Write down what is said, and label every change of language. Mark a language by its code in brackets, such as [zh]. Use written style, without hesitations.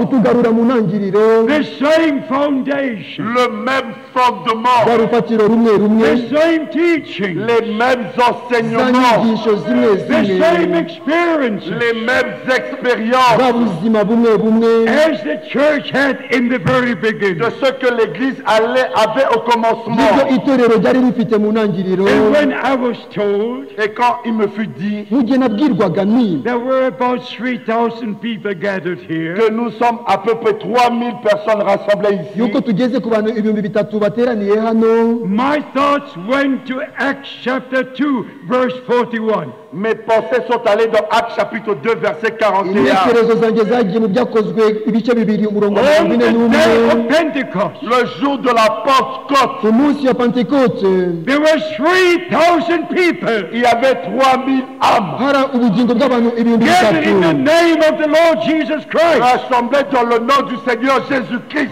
[en] the same foundation, [fr] le même fondement, [en] the same teachings. [fr] Les mêmes enseignements. Zimé, [en] the same experiences. [fr] Les mêmes expériences. Zima, bume, bume. [en] As the church had in the very beginning. [fr] De ce que l'église allait, avait au commencement. Et [en] when I was told. [fr] Et quand il me fut dit. [en] There were about 3,000 people gathered here. [fr] Que nous sommes à peu près 3,000 personnes rassemblées ici. [en] My thoughts went to Acts chapter 2, verse 41. [fr] Mes pensées sont allées dans Acts chapitre 2, verset 41. [en] On the day of Pentecost. [fr] Le jour de la Pentecôte. [en] There were 3,000 people. [fr] Il y avait 3,000 âmes. [en] Gathered in the name of the Lord Jesus Christ. [fr] Rassemblés dans le nom du Seigneur Jésus Christ.